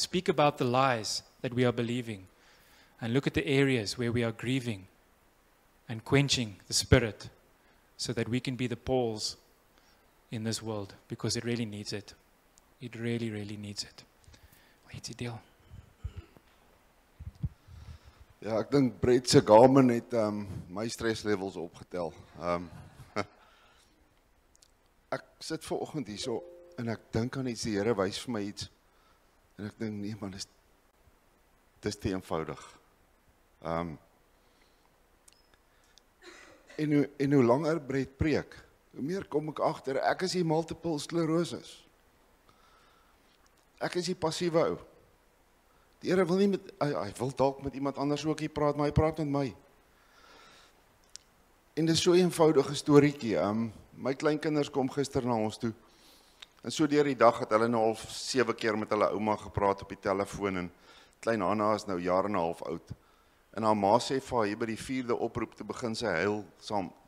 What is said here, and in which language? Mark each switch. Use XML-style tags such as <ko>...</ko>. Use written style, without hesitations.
<en>Speak about the lies that we are believing. And look at the areas where we are grieving and quenching the Spirit so that we can be the Pauls in this world, because it really needs it. It really, really needs it. What's the deal?</en> <af>Ja, ek dink Brett se Garmin het my stress levels opgetel. Ek sit ver oggend hierso en ek dink aan iets, die Here wys vir my iets. En ek dink nee man, dis te eenvoudig. En hoe langer Brett preek, hoe meer kom ek agter ek is die multiple sclerosis. Ek is die passiewe ou. Die Here wil nie met hy wil dalk met iemand anders ook hier praat, maar hy praat met my. En dis so 'n eenvoudige storieetjie. My kleinkinders kom gister na ons toe. En so deur die dag het hulle nou al 7 keer met hulle ouma gepraat op die telefoon en klein Hanna is nou jaar en 'n half oud. En haar ma sê vir haar hier by die 4de oproep te begin sy huil saam.</af>